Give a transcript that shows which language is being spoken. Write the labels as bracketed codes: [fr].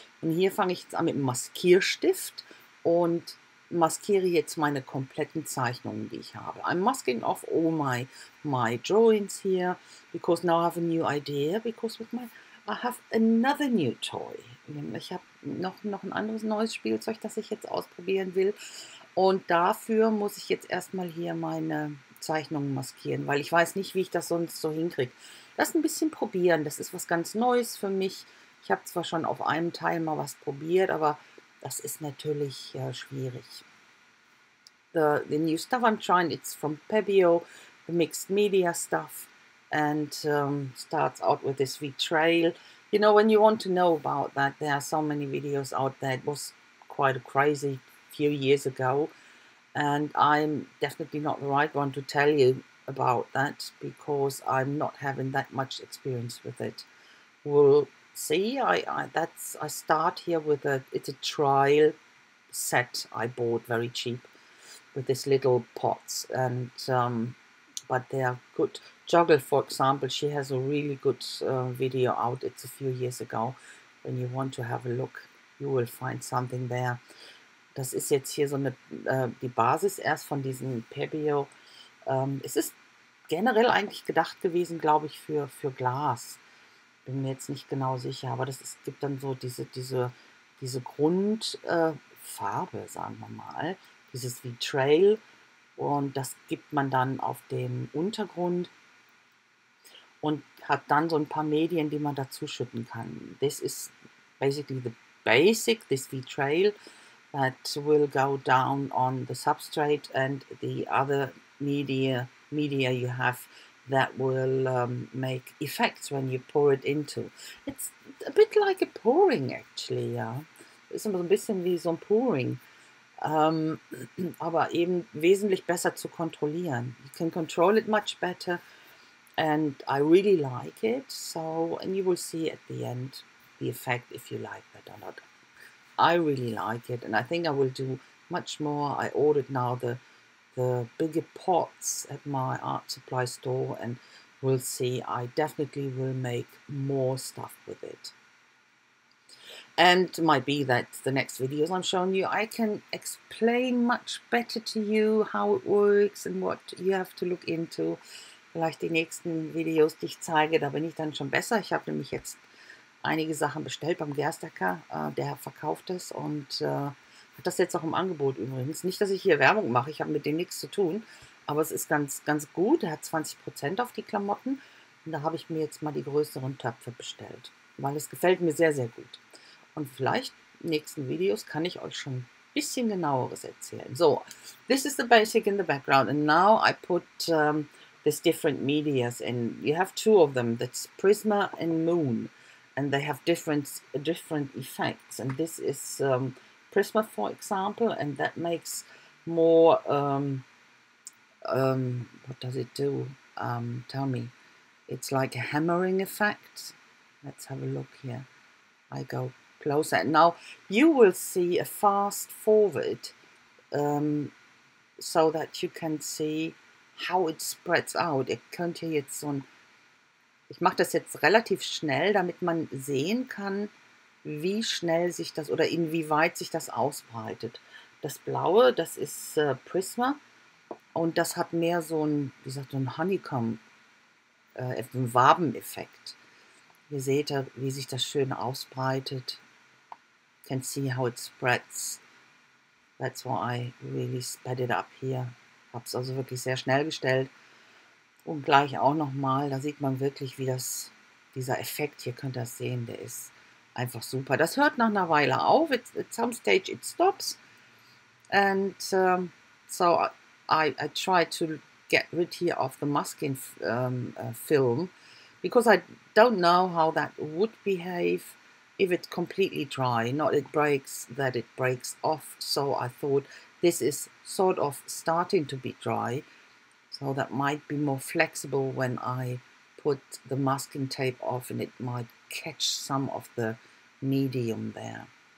[de] Und hier fange ich jetzt an mit dem Maskierstift und maskiere jetzt meine kompletten Zeichnungen, die ich habe. [en] I'm masking off all my drawings here, because now I have a new idea, because with my I have another new toy. [de] Ich habe noch ein anderes neues Spielzeug, das ich jetzt ausprobieren will. Und dafür muss ich jetzt erstmal hier meine Zeichnungen maskieren, weil ich weiß nicht, wie ich das sonst so hinkriege. Lass ein bisschen probieren, das ist was ganz Neues für mich. Ich habe zwar schon auf einem Teil mal was probiert, aber das ist natürlich schwierig. [en] The new stuff I'm trying, it's from Pebbio, the mixed media stuff, and starts out with this V-Trail. You know, when you want to know about that, there are so many videos out there. It was quite a crazy few years ago, and I'm definitely not the right one to tell you about that, because I'm not having that much experience with it. We'll see. I start here with it's a trial set I bought very cheap with this little pots, and but they are good. Joggle, for example, she has a really good video out. It's a few years ago. When you want to have a look, you will find something there. [de] Das ist jetzt hier so eine die Basis erst von diesem Pebbio. Es ist generell eigentlich gedacht gewesen, glaube ich, für Glas. Bin mir jetzt nicht genau sicher, aber gibt dann so diese Grundfarbe, sagen wir mal, dieses V-Trail, und das gibt man dann auf den Untergrund und hat dann so ein paar Medien, die man dazu schütten kann. [en] This is basically the basic, this V-Trail, that will go down on the substrate, and the other media you have that will make effects when you pour it into. It's a bit like a pouring, actually, yeah. [de] Ist immer so ein bisschen wie so ein Pouring. Aber eben wesentlich besser zu kontrollieren. [en] You can control it much better, and I really like it. So, and you will see at the end the effect, if you like that or not. I really like it, and I think I will do much more. I ordered now the bigger pots at my art supply store, and we'll see. I definitely will make more stuff with it. And it might be that the next videos I'm showing you, I can explain much better to you how it works and what you have to look into. [de] Vielleicht die nächsten Videos, die ich zeige, da bin ich dann schon besser. Ich habe nämlich jetzt einige Sachen bestellt beim Gerstacker, der verkauft es und hat das jetzt auch im Angebot übrigens. Nicht, dass ich hier Werbung mache, ich habe mit dem nichts zu tun, aber es ist ganz, ganz gut. Er hat 20% auf die Klamotten und da habe ich mir jetzt mal die größeren Töpfe bestellt, weil es gefällt mir sehr, sehr gut. Und vielleicht in den nächsten Videos kann ich euch schon ein bisschen genaueres erzählen. [en] So, this is the basic in the background and now I put these different medias in. You have two of them, that's Prisma and Moon. And they have different effects. And this is Prisma, for example, and that makes more. What does it do? Tell me. It's like a hammering effect. Let's have a look here. I go closer. And now you will see a fast forward so that you can see how it spreads out. [de] It könnt ihr jetzt so ein. Ich mache das jetzt relativ schnell, damit man sehen kann, wie schnell sich das oder inwieweit sich das ausbreitet. Das Blaue, das ist Prisma und das hat mehr so ein, wie sagt, so ein Honeycomb, ein Wabeneffekt. Ihr seht ja, wie sich das schön ausbreitet. [en] Can see how it spreads. That's why I really sped it up here. [de] Hab's also wirklich sehr schnell gestellt. Und gleich auch nochmal, da sieht man wirklich, wie das, dieser Effekt, hier könnt ihr das sehen, der ist einfach super. Das hört nach einer Weile auf. [en] At some stage it stops. And so I try to get rid here of the masking film, because I don't know how that would behave if it's completely dry. Not it breaks, that it breaks off. So I thought this is sort of starting to be dry, so that might be more flexible when I put the masking tape off and it might catch some of the medium there.